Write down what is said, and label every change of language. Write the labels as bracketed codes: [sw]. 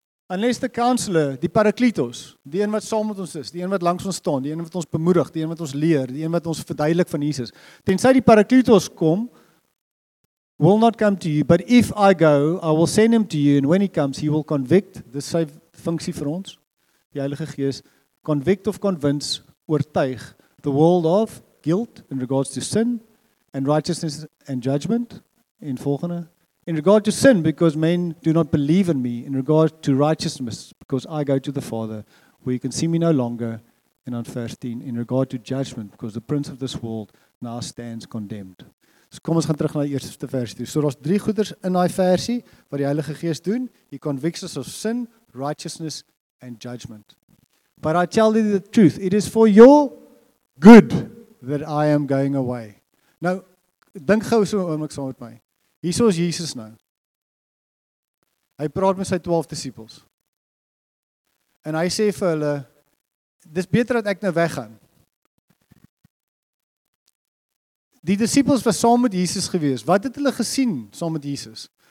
[en] Unless the counselor, [af] die parakletos, die een wat saam met ons is, die een wat langs ons staan, die een wat ons bemoedig, die een wat ons leer, die een wat ons verduidelik van Jesus. Tensy die parakletos kom, [en] will not come to you, but if I go, I will send him to you, and when he comes, he will convict, [af] dis sy funksie vir ons, die Heilige Gees, [en] convict of convince, oortuig, the world of guilt in regards to sin, and righteousness and judgment, [af] en volgende, [en] in regard to sin, because men do not believe in me, in regard to righteousness, because I go to the Father, where you can see me no longer, and on 13, in regard to judgment, because the prince of this world now stands condemned. [af] So kom ons gaan terug na die eerste versie toe. So daar's drie goeders in daai versie wat die Heilige Gees doen. [en] He convicts us of sin, righteousness and judgment. But I tell you the truth, it is for your good that I am going away. [af] Nou, dink gou so 'n oomblik saam met my. Hierso is Jesus nou. Hy praat met sy 12 disippels. En hy sê vir hulle, dis beter dat ek nou weggaan. Die disippels was saam met Jesus gewees. Wat het hulle gesien saam met Jesus?